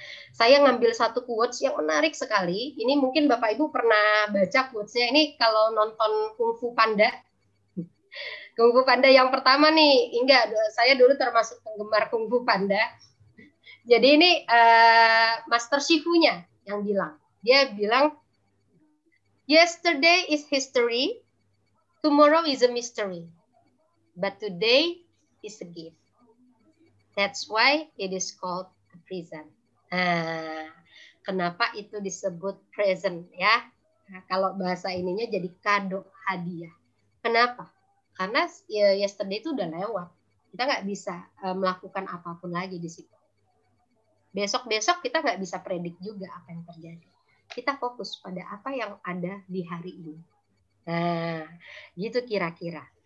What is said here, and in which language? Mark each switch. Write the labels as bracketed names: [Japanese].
[Indonesian] Saya ngambil satu quotes yang menarik sekali. Ini mungkin Bapak Ibu pernah baca quotesnya. Ini kalau nonton Kung Fu Panda yang pertama nih. Enggak, saya dulu termasuk penggemar Kung Fu Panda. Jadi ini Master Shifu-nya yang bilang. Dia bilang, [English] yesterday is history, tomorrow is a mystery, but today is a gift. That's why it is called present. [Indonesian] Kenapa itu disebut present ya? Kalau bahasa ininya jadi kado, hadiah. Kenapa? Karena yesterday itu udah lewat. Kita nggak bisa melakukan apapun lagi di situ. Besok-besok kita nggak bisa predik juga apa yang terjadi. Kita fokus pada apa yang ada di hari ini. Gitu kira-kira.